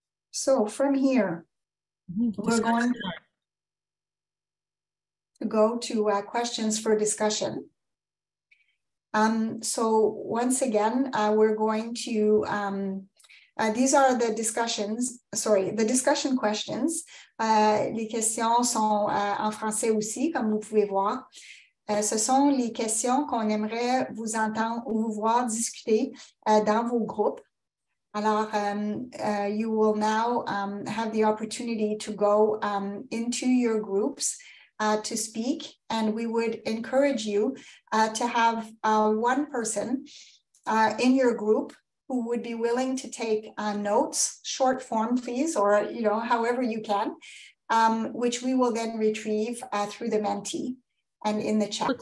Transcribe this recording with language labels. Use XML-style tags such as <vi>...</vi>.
<en>So from here, we're going to go to questions for discussion. So once again, we're going to, these are the discussions, sorry, the discussion questions.</en> <fr>Les questions sont en français aussi, comme vous pouvez voir. Ce sont les questions qu'on aimerait vous entendre ou vous voir discuter dans vos groupes.</fr> <en>Alors, you will now have the opportunity to go into your groups to speak, and we would encourage you to have one person in your group who would be willing to take notes, short form, please, or, you know, however you can, which we will then retrieve through the Menti and in the chat.</en>